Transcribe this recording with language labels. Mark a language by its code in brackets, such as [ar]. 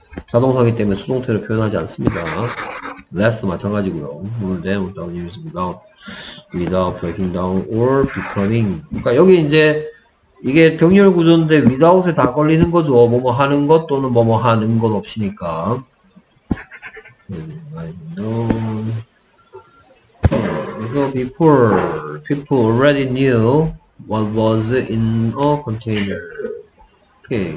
[ko] 자동사기 때문에 수동태로 표현하지 않습니다. Last 마찬가지고요. [en] More than 1,000 years without breaking down or becoming. [ko] 그러니까 여기 이제 이게 병렬 구조인데 without에 다 걸리는 거죠. 뭐뭐 하는 것 또는 뭐뭐 하는 것 없이니까. [en] 그래서 before people already knew What was in a container? 오케이.